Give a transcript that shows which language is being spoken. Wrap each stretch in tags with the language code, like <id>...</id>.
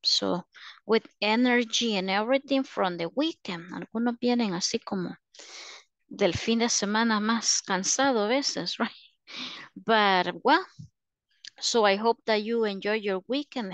<en>So, with energy and everything from the weekend.</en> <es>Algunos vienen así como del fin de semana más cansado a veces, right?</es> <en>But, well, so I hope that you enjoy your weekend.</en>